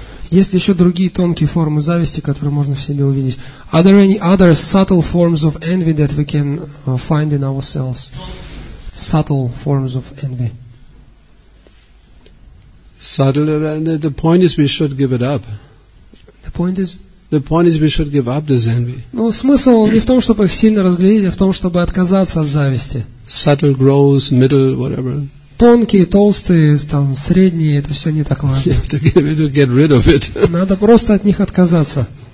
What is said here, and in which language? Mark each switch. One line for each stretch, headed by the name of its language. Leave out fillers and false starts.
Russian: Есть ли еще другие тонкие формы зависти, которые можно в себе увидеть?
English: Are there any other subtle forms of envy that we can find in ourselves? Subtle forms of envy. Subtle. The point is, we should give it up. The point is, we should give up this envy.
Russian: Ну, смысл не в том, чтобы их сильно разглядеть, а в том, чтобы отказаться от зависти.
English: Subtle, gross, middle, whatever.
Russian: Тонкие, толстые, там, средние, это все не так важно.
English: To get rid of it.
Russian: Надо просто от них отказаться.